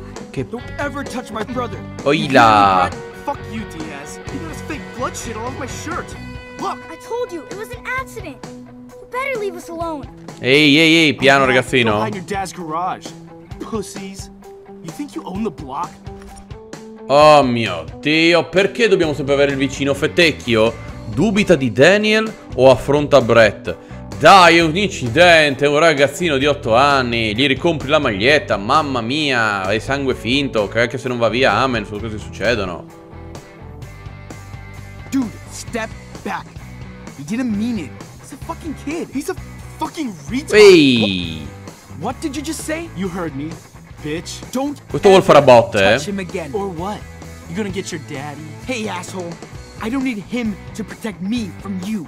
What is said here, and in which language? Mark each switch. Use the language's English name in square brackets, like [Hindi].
[English] Che don't ever touch my brother. Oila. Fuck you, Diaz. You got this fake blood shit all over my shirt. Look, I told you it was an accident. You better leave us alone. [Italian] Ehi, ehi, ehi, piano, ragazzino. [English] Behind your dad's garage. Pussies. You think you own the block? [Italian] Oh mio Dio, perché dobbiamo sempre avere il vicino fettecchio? Dubita di Daniel o affronta Brett? Dai, è un incidente, è un ragazzino di 8 anni, gli ricompri la maglietta, mamma mia, hai sangue finto, che anche se non va via, amen, sono cose che succedono. [English] Dude, step back. You didn't mean it. He's a fucking kid. He's a fucking retard. Hey. What did you just say? You heard me, bitch. Don't. [Italian] Questo vuol fare a botte, [English] eh? Or what? You're gonna get your daddy. Hey, asshole. I don't need him to protect me from you.